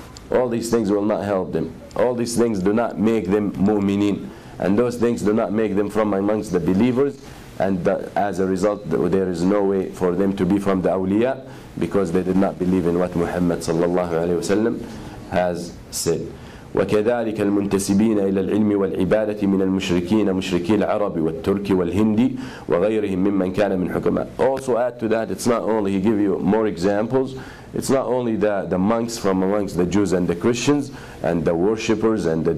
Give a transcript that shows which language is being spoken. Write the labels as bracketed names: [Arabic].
[English] All these things will not help them. All these things do not make them mu'mineen, and those things do not make them from amongst the believers. And as a result, there is no way for them to be from the awliya, because they did not believe in what Muhammad sallallahu alaihi wasallam has said. [Arabic] وكذلك المنتسبين إلى العلم والعبادة من المشركين مشركي العرب والترك والهندي وغيرهم ممن كان من حكماء. [English] Also add to that, it's not only, he give you more examples, it's not only the monks from amongst the Jews and the Christians and the worshippers and the